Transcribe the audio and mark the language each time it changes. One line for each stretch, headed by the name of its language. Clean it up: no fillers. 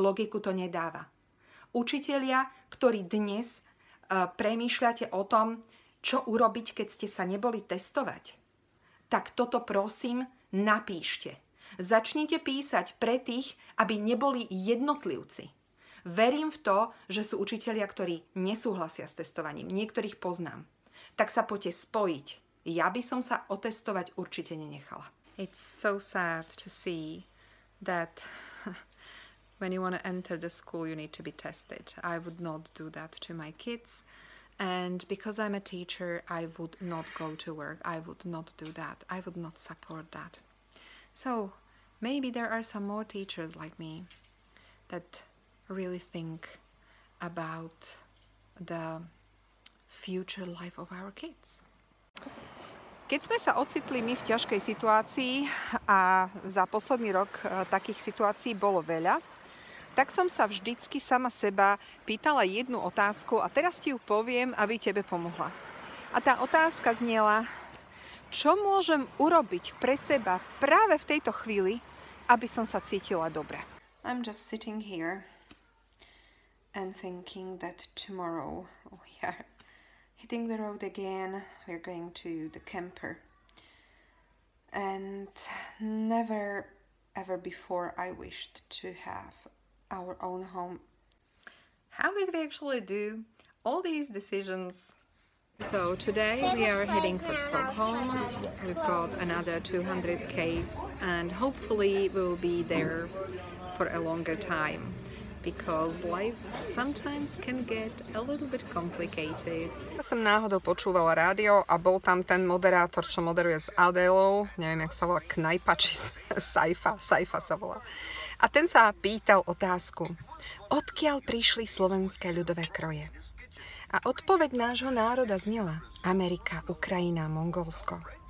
Slovak: Logiku to nedáva. Učitelia, ktorí dnes premýšľate o tom, čo urobiť, keď ste sa neboli testovať, tak toto prosím napíšte. Začnite písať pre tých, aby neboli jednotlivci. Verím v to, že sú učitelia, ktorí nesúhlasia s testovaním. Niektorých poznám. Tak sa poďte spojiť. Ja by som sa otestovať určite nenechala.
English: It's so sad to see that when you want to enter the school, you need to be tested. I would not do that to my kids. And because I'm a teacher, I would not go to work. I would not do that. I would not support that. So maybe there are some more teachers like me that really think about the future life of our kids.
Slovak: Keď sme sa ocitli my v ťažkej situácii a za posledný rok takých situácií bolo veľa, tak som sa vždycky sama seba pýtala jednu otázku a teraz ti ju poviem, aby tebe pomohla. A tá otázka zniela, čo môžem urobiť pre seba práve v tejto chvíli, aby som sa cítila dobre.
English: I'm just sitting here and thinking that tomorrow we are hitting the road again, we're going to the camper. And never ever before I wished to have our own home. How did we actually do all these decisions? So today we are heading for Stockholm. We've got another 200 k's and hopefully we'll be there for a longer time, because life sometimes can get a little bit complicated.
Slovak: Ja som náhodou počúvala rádio a bol tam ten moderátor, čo moderuje s Adélou, neviem, jak sa volá, Knajpa či Sajfa sa volá. A ten sa pýtal otázku, odkiaľ prišli slovenské ľudové kroje? A odpoveď nášho národa znela Amerika, Ukrajina, Mongolsko.